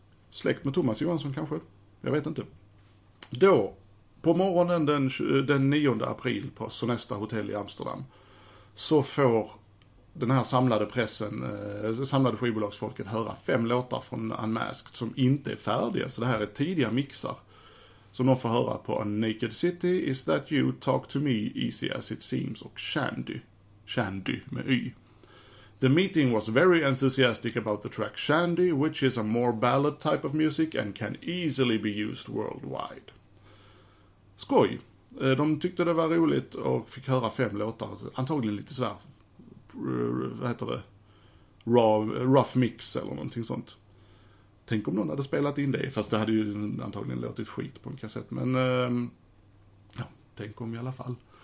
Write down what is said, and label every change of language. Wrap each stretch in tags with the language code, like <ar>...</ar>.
<sv>Släkt med Thomas Johansson kanske? Jag vet inte. Då, på morgonen den 9 april på Sonesta Hotel i Amsterdam, så får den här samlade pressen, samlade skivbolagsfolket, höra 5 låtar från Unmasked som inte är färdiga. Så det här är tidiga mixar som de får höra på Naked City, Is That You, Talk To Me, Easy As It Seems och Shandy. Shandy med Y.</sv> <en>The meeting was very enthusiastic about the track Shandy, which is a more ballad type of music and can easily be used worldwide.</en> <sv>Skoj. De tyckte det var roligt och fick höra 5 låtar. Antagligen lite så här, vad heter det? Rough mix eller någonting sånt. Tänk om någon hade spelat in det. Fast det hade ju antagligen låtit skit på en kassett. Men ja, tänk om i alla fall.</sv>